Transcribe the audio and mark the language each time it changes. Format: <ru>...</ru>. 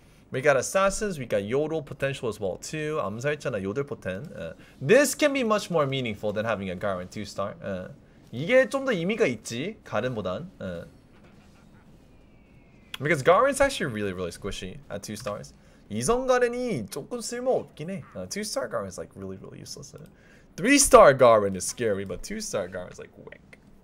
<en>We got assassins, we got yodel potential as well too.</en> <ko>암살자나</ko> <en>yodel potent. This can be much more meaningful than having a Garen 2-star.</en> <ko>이게 좀 더 의미가 있지, 가렌보단.</ko> <en>Because Garen's actually really, really squishy at 2-stars.</en> <ko>이성 가렌이 조금 쓸모없긴 해.</ko> <en>2-star Garen's like really, really useless. 3-star Garen is scary, but 2-star Garen's like wick.</en>